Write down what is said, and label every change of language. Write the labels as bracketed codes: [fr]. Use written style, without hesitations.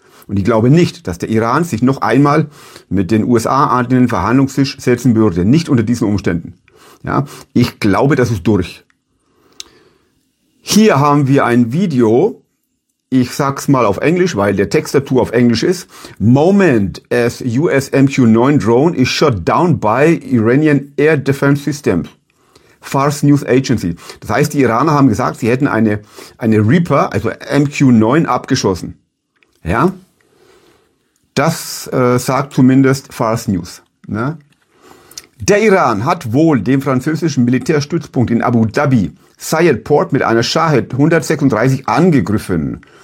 [de] Und ich glaube nicht, dass der Iran sich noch einmal mit den USA an den Verhandlungstisch setzen würde, nicht unter diesen Umständen. Ja, ich glaube, das ist durch. Hier haben wir ein Video, ich sag's mal auf Englisch, weil der Text dazu auf Englisch ist. [en] Moment as US MQ-9 drone is shot down by Iranian Air Defense Systems. Fars News Agency. [de] Das heißt, die Iraner haben gesagt, sie hätten eine Reaper, also MQ-9, abgeschossen. Ja, das sagt zumindest Fars News, ne? Der Iran hat wohl den französischen Militärstützpunkt in Abu Dhabi, Zayed Port, mit einer Shahed 136 angegriffen.